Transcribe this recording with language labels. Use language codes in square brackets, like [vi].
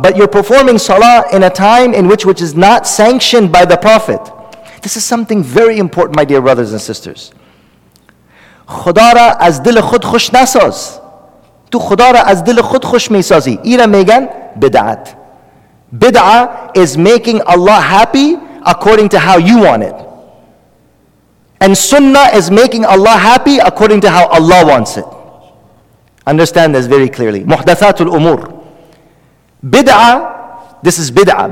[en] But you're performing salah in a time in which is not sanctioned by the Prophet. This is something very important, my dear brothers and sisters. [fa] خدا را از دل خود خوش نساز. تو خدا را از دل خود خوش میسازی. اینا میگن بدعت. [en] بدعه is making Allah happy according to how you want it. And sunnah is making Allah happy according to how Allah wants it. Understand this very clearly. [ar] Muhdathatul umur. [en] Bid'ah, this is bid'ah.